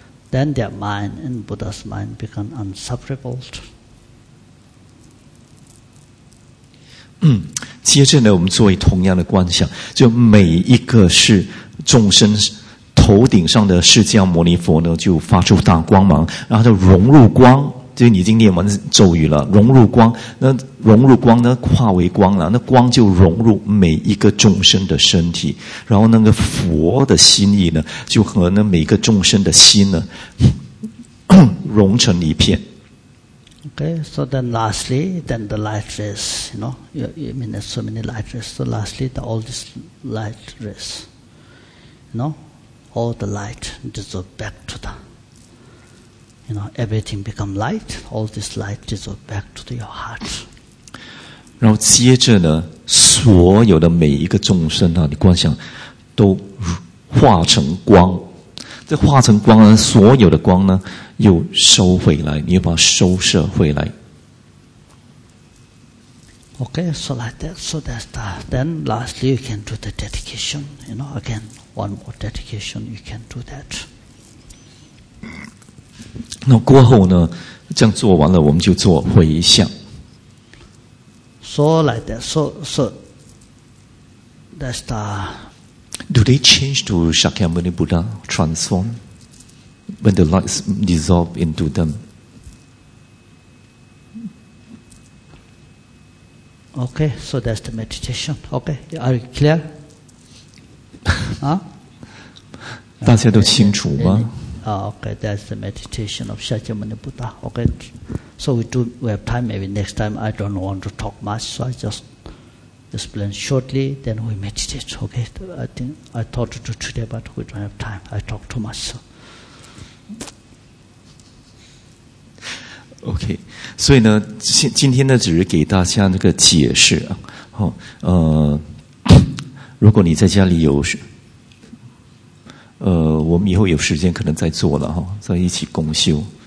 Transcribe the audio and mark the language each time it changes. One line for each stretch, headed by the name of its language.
English: Then their mind and Buddha's mind become unseparable.
Chinese: 接着呢，我们做一同样的观想，就每一个是众生头顶上的释迦牟尼佛呢，就发出大光芒，然后就融入光。就已经念完咒语了，融入光，那融入光呢，化为光了，那光就融入每一个众生的身体，然后那个佛的心意呢，就和那每一个众生的心呢，融成一片。
English: Okay, so then lastly, then the light rays, you know, you mean there's so many light rays. So lastly, the all these light rays, you know, all the light dissolve back to the, you know, everything become light. All this light dissolve back to the, your heart.
Chinese: 然后接着呢，所有的每一个众生啊，你观想都化成光。这化成光呢，所有的光呢，又收回来，你又把它收摄回来。
English: Okay, so like that, so that's that. Then lastly, you can do the dedication. You know, again, one more dedication, you can do that.
Chinese: 那过后呢，这样做完了，我们就做回向。
English: So like that, so that's the. Do they change to Shakyamuni Buddha, transform, when the lights dissolve into them? Okay, so that's the meditation. Okay, are you clear?
Chinese: 大家都清楚吗
English: okay, that's the meditation of Shakyamuni Buddha. Okay, so we have time, maybe next time, I don't want to talk much, so I just... explain shortly, then we meditate, okay? I thought to do today, but we don't have time. I talk too much. So.
Chinese: Okay, 所以呢，今天呢，只是给大家那个解释啊。好，如果你在家里有，我们以后有时间可能再做了哈，再一起共修。